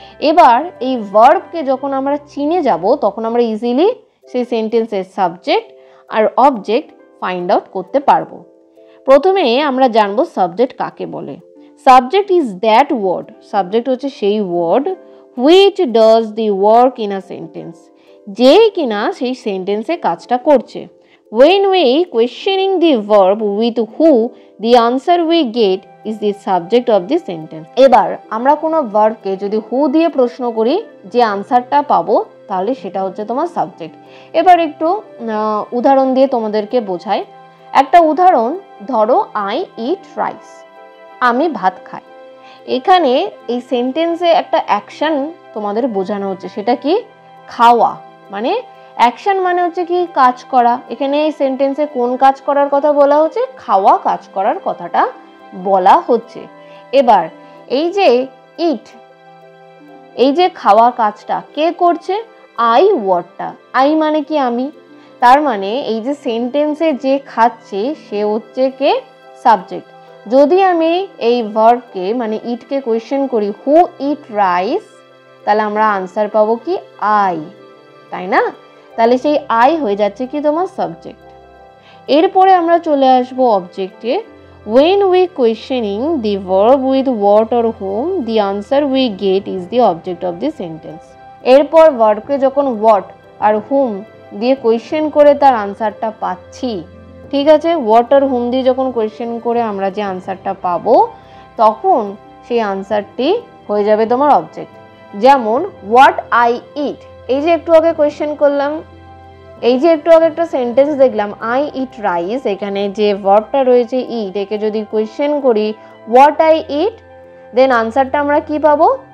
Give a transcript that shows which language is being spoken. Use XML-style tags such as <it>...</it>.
<bn>এবার এই ভার্বকে যখন আমরা চিনে যাব তখন আমরা ইজিলি সেই সেন্টেন্সের সাবজেক্ট আর অবজেক্ট ফাইন্ড আউট করতে পারবো। প্রথমে আমরা জানবো সাবজেক্ট কাকে বলে।</bn> <en>subject is that word,</en> <bn>subject হচ্ছে সেই word</bn> <en>which does the work in a sentence,</en> <bn>যেই কিনা সেই সেন্টেন্সে কাজটা করছে।</bn> <en>When we questioning the verb with who, the answer we get is the subject of the sentence.</en> <bn>এবার আমরা কোনো ভার্বকে যদি হু দিয়ে প্রশ্ন করি যে আনসারটা পাবো তাহলে সেটা হচ্ছে তোমার সাবজেক্ট। এবার একটু উদাহরণ দিয়ে তোমাদেরকে বোঝাই। একটা উদাহরণ ধরো,</bn> <en>I eat rice,</en> <bn>আমি ভাত খাই। এখানে এই সেন্টেন্সে একটা অ্যাকশন তোমাদের বোঝানো হচ্ছে, সেটা কি? খাওয়া। মানে অ্যাকশন মানে হচ্ছে কি? কাজ করা। এখানে এই সেন্টেন্সে কোন কাজ করার কথা বলা হচ্ছে? খাওয়া কাজ করার কথাটা বলা হচ্ছে। এবার এই যে ইট, এই যে খাওয়া কাজটা কে করছে? আই ওয়ার্ডটা, আই মানে কি? আমি। তার মানে এই যে সেন্টেন্সে যে খাচ্ছে সে হচ্ছে কে? সাবজেক্ট। যদি আমি এই ভার্বকে মানে ইটকে কোয়েশ্চেন করি</bn> <en>who eat rice,</en> <bn>তাহলে আমরা আনসার পাবো কি? আই, তাই না? তাহলে সেই আই হয়ে যাচ্ছে কি তোমার সাবজেক্ট। এরপরে আমরা চলে আসব অবজেক্টে।</bn> <en>When we questioning the verb with what or whom, the answer we get is the object of the sentence.</en> <bn>এরপর ভার্বকে যখন what আর whom দিয়ে কোয়েশ্চেন করে তার আনসারটা পাচ্ছি, ঠিক আছে, what আর whom দিয়ে যখন কোয়েশ্চেন করে আমরা যে আনসারটা পাবো তখন সেই আনসারটি হয়ে যাবে তোমার অবজেক্ট। যেমন</bn> <en>what I eat,</en> <bn>এই যে একটু আগে কোয়েশ্চেন করলাম, এই যে একটু আগে একটা সেন্টেন্স দেখলাম</bn> <en>I eat rice,</en> <bn>এখানে যে ভার্বটা রয়েছে ইট, একে যদি কোয়েশ্চেন করি</bn> <en>what I eat,</en> <bn>দেন আনসারটা আমরা কি পাবো?</bn>